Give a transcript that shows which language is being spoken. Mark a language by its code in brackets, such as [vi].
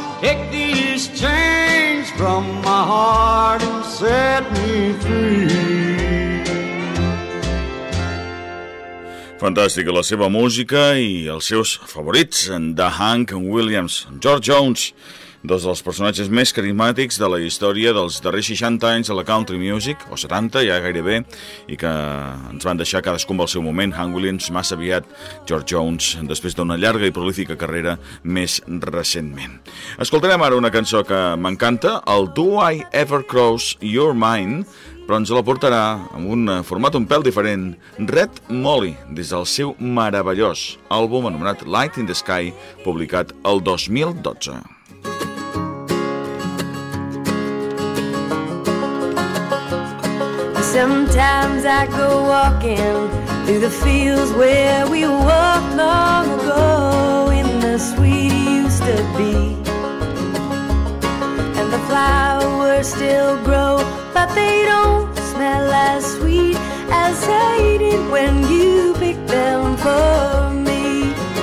[en] Take these chains from my heart and set me free. [ca] Fantàstica la seva música i els seus favorits, de Hank Williams. George Jones, dos dels personatges més carismàtics de la història dels darrers 60 anys de la country music, o 70 ja gairebé, i que ens van deixar cadascun al seu moment. Hank Williams massa aviat, George Jones després d'una llarga i prolífica carrera més recentment. Escoltarem ara una cançó que m'encanta, el Do I Ever Cross Your Mind, però ens la portarà amb un format un pèl diferent, Red Molly, des del seu meravellós àlbum anomenat Light in the Sky, publicat el 2012. [en] Sometimes I go walking through the fields where we walked long ago in the sweet used to be. And the flowers still grow, but they don't smell as sweet as they did when you picked them for me.